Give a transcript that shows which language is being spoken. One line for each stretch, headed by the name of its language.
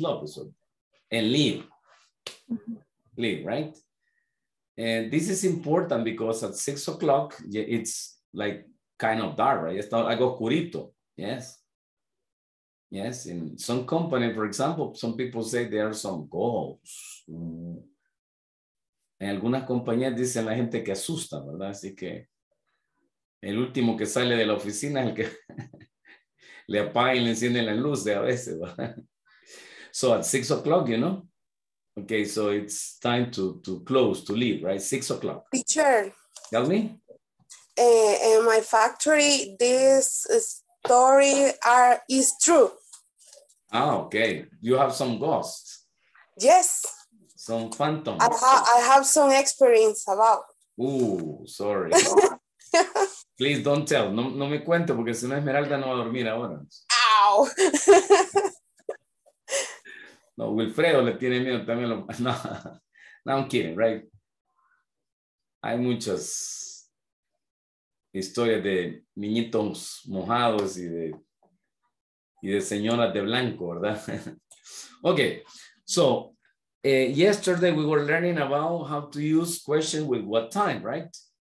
English: Lopez and leave. Mm-hmm. Leave, right? And this is important because at 6:00, it's like kind of dark, right?
Spanish: Está algo oscurito,
English: yes. Yes, in some company, for example, some people say there are some ghosts.
Spanish: En algunas compañías dicen la gente que asusta, ¿verdad? Así que el último que sale de la oficina es el que le apaga y le enciende la luz de a veces, ¿verdad?
English: So at 6:00, you know? Okay, so it's time to close, to leave, right? 6:00. Teacher. Tell me. In my factory, this is story is true. Oh, okay. You have some ghosts. Yes. Some phantoms. I have some experience about. Ooh, sorry. Please don't tell.
Spanish: No me cuento porque si no Esmeralda no va a dormir ahora. Ow. No, Wilfredo le tiene miedo también. No,
English: I'm kidding, right?
Spanish: Hay muchas historias de niñitos mojados y de señoras de blanco, ¿verdad?
English: Okay, so yesterday we were learning about how to use questions with what time, right?